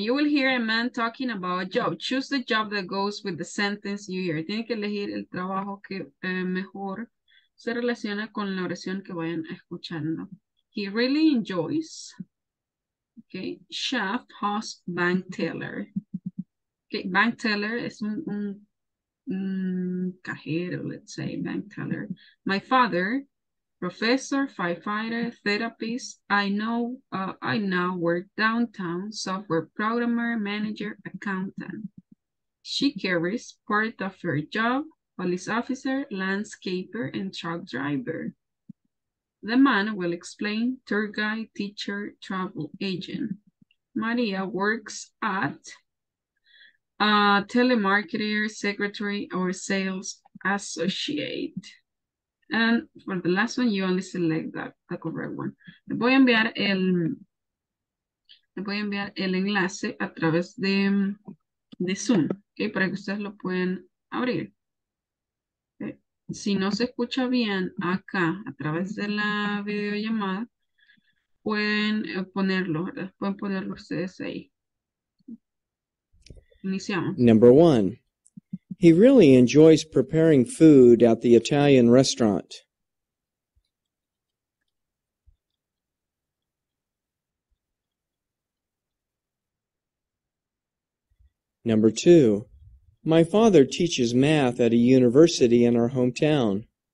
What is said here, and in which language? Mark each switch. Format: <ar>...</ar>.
<en>You will hear a man talking about a job. Choose the job that goes with the sentence you hear.</en> <es>Tienen que elegir el trabajo que mejor se relaciona con la oración que vayan escuchando.</es> <en>He really enjoys, okay, chef, host, bank teller. Okay, bank teller</en> <es>es un cajero,</es> <en>let's say, bank teller. My father, professor, firefighter, therapist. I now work downtown, software programmer, manager, accountant. She carries part of her job, police officer, landscaper, and truck driver. The man will explain, tour guide, teacher, travel agent. Maria works at a telemarketer, secretary, or sales associate. And for the last one, you only select the correct one.</en> <es>Le voy a enviar el enlace a través de Zoom, okay, para que ustedes lo puedan abrir. Si no se escucha bien acá a través de la videollamada, pueden ponerlo ustedes ahí. Iniciamos.</es> <en>Number one. He really enjoys preparing food at the Italian restaurant. Number two. My father teaches math at a university in our hometown.</en>